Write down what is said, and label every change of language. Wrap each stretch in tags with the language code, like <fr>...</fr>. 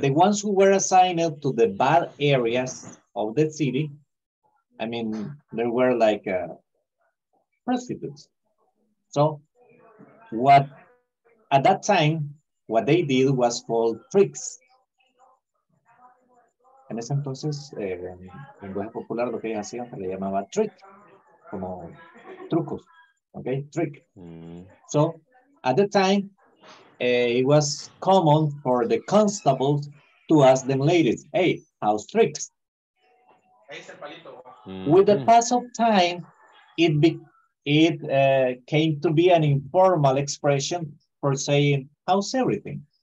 <en>The ones who were assigned to the bad areas of the city, I mean, they were like prostitutes. So at that time, what they did was called freaks.</en> <es>En ese entonces, en lenguaje popular, lo que ellos hacían se le llamaba trick, como trucos, okay, trick. Mm-hmm.</es> <en>So, at the time, it was common for the constables to ask them ladies, hey, how's tricks? Mm-hmm. With the pass of time, it came to be an informal expression for saying, how's everything?</en>